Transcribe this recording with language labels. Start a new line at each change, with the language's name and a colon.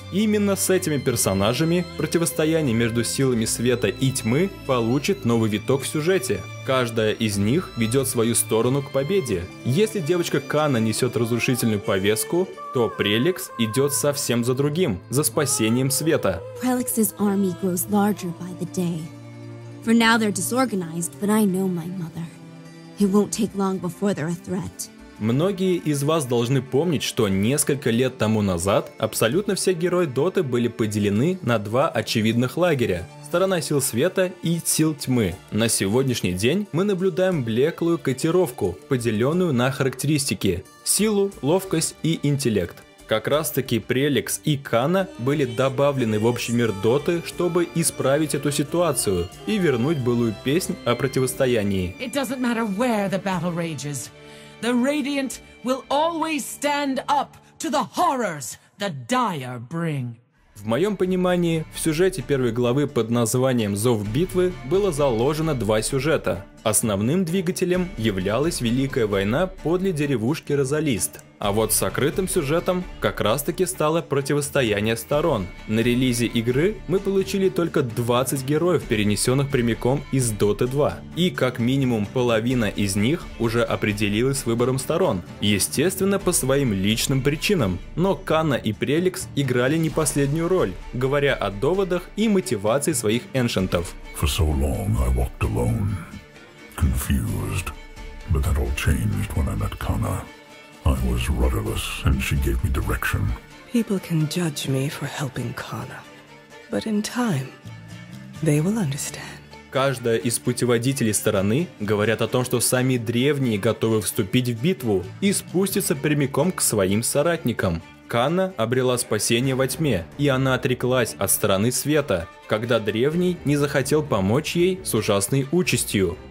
Russian: Именно с этими персонажами противостояние между силами света и тьмы получит новый виток в сюжете. Каждая из них ведет свою сторону к победе. Если девочка Канна несет разрушительную повестку, то Преликс идет совсем за другим, за спасением света.
English: Preliks's army grows larger by the day. For now they're disorganized, but I know my mother. It won't take long before they're a threat.
Russian: Многие из вас должны помнить, что несколько лет тому назад абсолютно все герои Доты были поделены на два очевидных лагеря. Сторона сил света и сил тьмы. На сегодняшний день мы наблюдаем блеклую котировку, поделенную на характеристики – силу, ловкость и интеллект. Как раз таки Преликс и Канна были добавлены в общий мир Доты, чтобы исправить эту ситуацию и вернуть былую песнь о противостоянии.
English: It doesn't matter where the battle rages. The Radiant will always stand up to the horrors the Dire bring.
Russian: В моем понимании, в сюжете первой главы под названием «Зов битвы» было заложено два сюжета. Основным двигателем являлась Великая война подле деревушки Розалист. А вот сокрытым сюжетом как раз таки стало противостояние сторон. На релизе игры мы получили только 20 героев, перенесенных прямиком из Dota 2. И как минимум половина из них уже определилась с выбором сторон. Естественно, по своим личным причинам. Но Канна и Преликс играли не последнюю роль, говоря о доводах и мотивации своих эншентов.
English: For so long I walked alone, confused, but that all changed when I met Canna. I was rudderless, and she gave me direction. People can judge me for helping Canna, but in time, they will understand.
Russian: Каждая из путеводителей стороны говорят о том, что сами древние готовы вступить в битву и спуститься прямиком к своим соратникам. Канна обрела спасение во тьме, и она отреклась от стороны света, когда древний не захотел помочь ей с ужасной участью.